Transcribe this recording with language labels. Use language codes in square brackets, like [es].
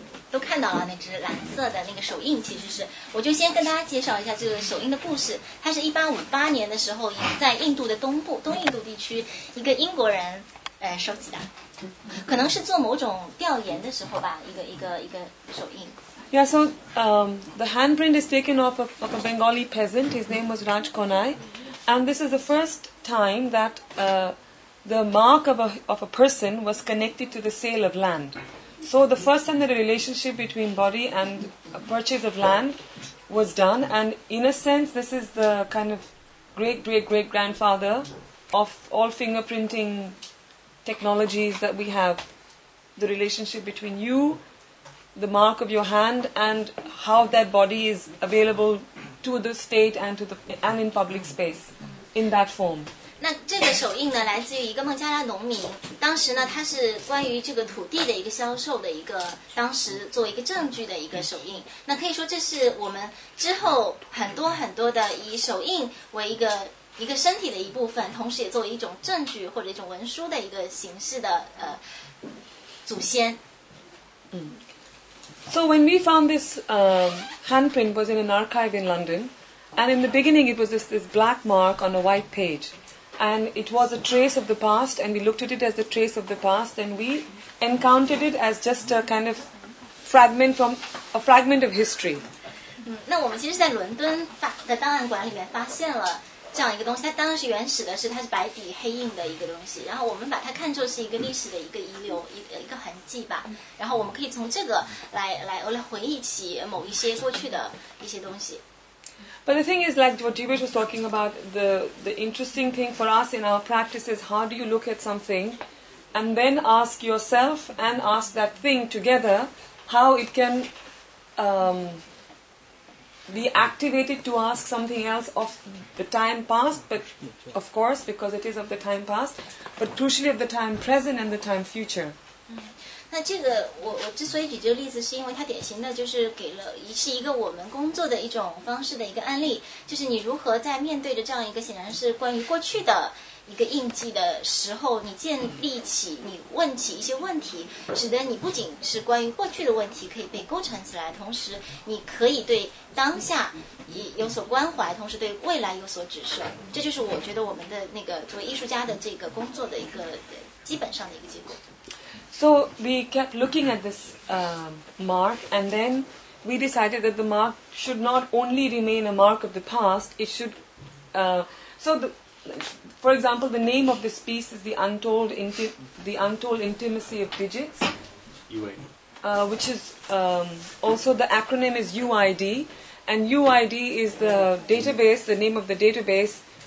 [zh] 都看到了那只蓝色的那个手印，其实是我就先跟大家介绍一下这个手印的故事。它是1858年的时候在印度的东印度地区一个英国人收集的，可能是做某种调研的时候吧，一个手印。 [en] Yeah, so the handprint is taken off of a Bengali peasant. His name was Raj Konai, and this is the first time that the mark of a person was connected to the sale of land. So the first time that a relationship between body and a purchase of land was done, and in a sense, this is the kind of great-great-great-grandfather of all fingerprinting technologies that we have. The relationship between you, the mark of your hand, and how that body is available to the state and in public space in that form. [zh] 那这个手印呢，来自于一个孟加拉农民。当时呢，它是关于这个土地的一个销售的一个，当时作为一个证据的一个手印。那可以说，这是我们之后很多很多的以手印为一个身体的一部分，同时也作为一种证据或者一种文书的一个形式的祖先。 [en] So when we found this handprint was in an archive in London, and in the beginning it was just this black mark on a white page. And it was a trace of the past, and we looked at it as a trace of the past, and we encountered it as just a kind of fragment of history. [zh] 那我们其实在伦敦的档案馆里面发现了这样一个东西，它当然是原始的，是它是白底黑印的一个东西，然后我们把它看作是一个历史的一个遗留，一个痕迹吧。然后我们可以从这个来回忆起某一些过去的一些东西。 [en] But the thing is, like what Jeevesh was talking about, the interesting thing for us in our practice is how do you look at something and then ask yourself and ask that thing together how it can be activated to ask something else of the time past, but of course, because it is of the time past, but crucially of the time present and the time future. [zh] 那这个我之所以举这个例子，是因为它典型的就是给了是一个我们工作的一种方式的一个案例，就是你如何在面对着这样一个显然是关于过去的一个印记的时候，你建立起你问起一些问题，使得你不仅是关于过去的问题可以被构成起来，同时你可以对当下也有所关怀，同时对未来有所指示。这就是我觉得我们的那个作为艺术家的这个工作的一个基本上的一个结果。 [en] So we kept looking at this mark, and then we decided that the mark should not only remain a mark of the past, it should... for example, the name of this piece is the untold intimacy of digits, which is also the acronym is UID, and UID is the database, the name of the database.